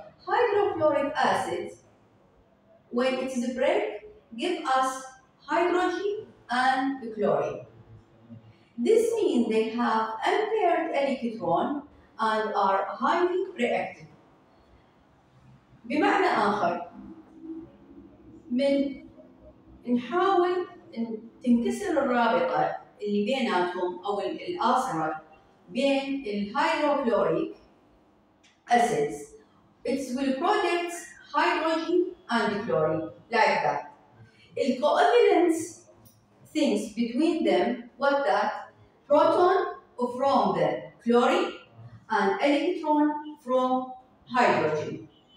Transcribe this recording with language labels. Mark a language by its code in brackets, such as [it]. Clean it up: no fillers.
[en] Hydrochloric acid, when it is a break, give us hydrogen and chlorine. This means they have unpaired electron and are highly reactive. [ar] بمعنى آخر من نحاول إن تنكسر الرابطة اللي بيناتهم أو الأسرة بين الهيدروكلوريك acids. [en] It will produce hydrogen and chlorine like that. The covalent things between them, what that? Proton from the chlorine and electron from hydrogen.